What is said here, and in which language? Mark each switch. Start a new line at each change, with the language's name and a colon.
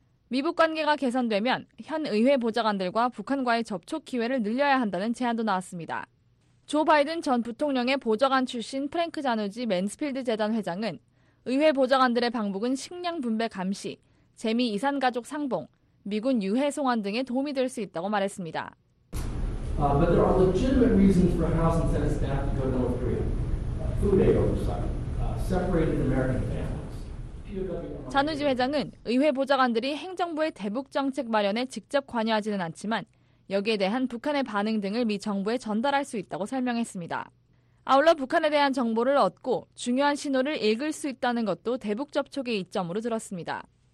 Korean: 미북 관계가 개선되면 현 의회 보좌관들과 북한과의 접촉 기회를 늘려야 한다는 제안도 나왔습니다. 조 바이든 전 부통령의 보좌관 출신 프랭크 자누지 맨스필드 재단 회장은 의회 보좌관들의 방북은 식량 분배 감시, 재미 이산 가족 상봉, 미군 유해 송환 등에 도움이 될 수 있다고 말했습니다.
English: But there are legitimate reasons for House and Senate staff to go to North Korea. Food aid oversight, separated American families.
Korean: 자누지 회장은 의회 보좌관들이 행정부의 대북 정책 마련에 직접 관여하지는 않지만 여기에 대한 북한의 반응 등을 미 정부에 전달할 수 있다고 설명했습니다. 아울러 북한에 대한 정보를 얻고 중요한 신호를 읽을 수 있다는 것도 대북 접촉의 이점으로 들었습니다.